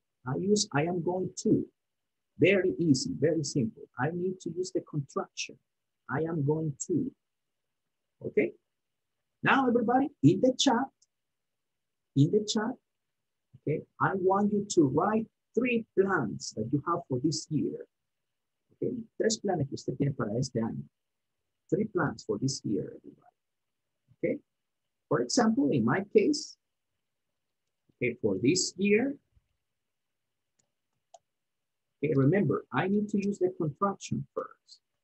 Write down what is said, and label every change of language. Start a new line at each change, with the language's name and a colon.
English: I use I am going to. Very easy, very simple. I need to use the contraction. I am going to. Okay? Now, everybody, in the chat, okay, I want you to write three plans that you have for this year. Okay?
Spanish: Tres planes que usted tiene para este año.
English: Three plans for this year, everybody. Okay? For example, in my case, okay, for this year, okay, remember, I need to use the contraction first.